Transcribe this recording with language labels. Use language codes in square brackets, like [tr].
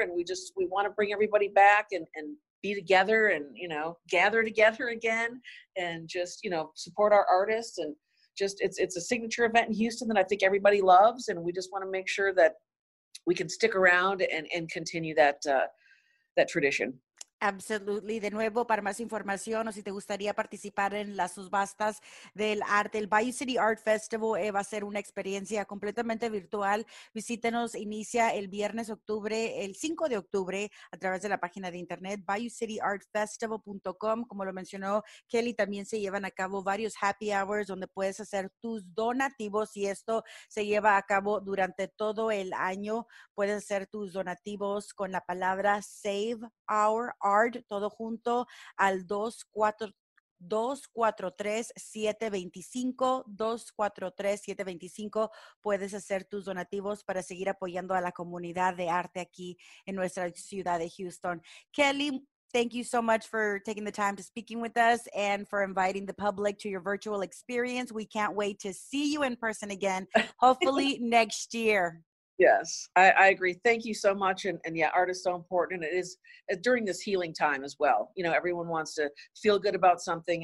[en] And we want to bring everybody back and be together and, you know, gather together again and just, you know, support our artists. And just, it's a signature event in Houston that I think everybody loves, and we just want to make sure that we can stick around and continue that that tradition. Absolutely. [es] De nuevo, para más información o si te gustaría participar en las subastas del arte, el Bayou City Art Festival va a ser una experiencia completamente virtual. Visítenos, inicia el viernes octubre, el 5 de octubre, a través de la página de internet, BayouCityArtFestival.com. Como lo mencionó Kelly, también se llevan a cabo varios happy hours donde puedes hacer tus donativos, y esto se lleva a cabo durante todo el año. Puedes hacer tus donativos con la palabra Save Our Art, todo junto, al 243-725. Puedes hacer tus donativos para seguir apoyando a la comunidad de arte aquí en nuestra ciudad de Houston. [en] Kelly, thank you so much for taking the time to speaking with us and for inviting the public to your virtual experience. We can't wait to see you in person again, hopefully next year. Yes, I agree. Thank you so much. And yeah, art is so important. And it is during this healing time as well. You know, everyone wants to feel good about something.